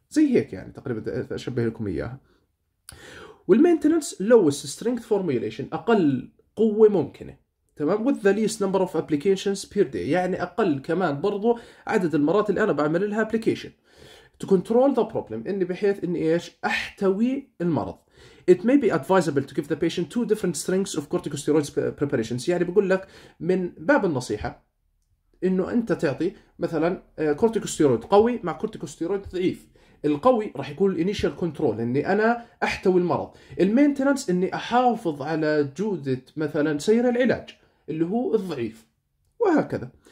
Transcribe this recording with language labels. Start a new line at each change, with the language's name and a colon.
Arabic: زي هيك يعني تقريبا اشبه لكم اياها.
English: والمينتنس lowest strength formulation,
Arabic: اقل قوه ممكنه، تمام،
English: with the least number of applications per day,
Arabic: يعني اقل كمان برضو عدد المرات اللي انا بعمل لها ابلكيشن.
English: to control the problem,
Arabic: اني بحيث اني ايش احتوي المرض.
English: It may be advisable to give the patient two different strengths of corticosteroids preparations.
Arabic: يعني بقول لك من باب النصيحة إنه أنت تعطي مثلاً كورتيكوستيرويد قوي مع كورتيكوستيرويد ضعيف. القوي راح يكون الانيشال كنترول، اني انا احتوي المرض. المينتنس اني احافظ على جوده مثلا سير العلاج اللي هو الضعيف، وهكذا.